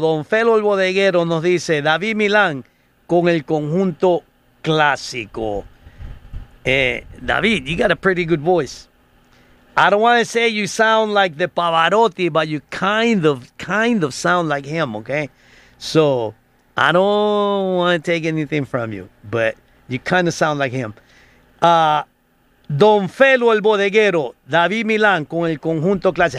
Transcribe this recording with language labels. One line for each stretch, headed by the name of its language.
Spanish: Don Felo el Bodeguero nos dice David Milan con el conjunto clásico.
English: David, you got a pretty good voice. I don't want to say you sound like the Pavarotti, but you kind of sound like him, okay? So, I don't want to take anything from you, but you kind of sound like him.
Spanish: Don Felo el Bodeguero, David Milan con el conjunto clase.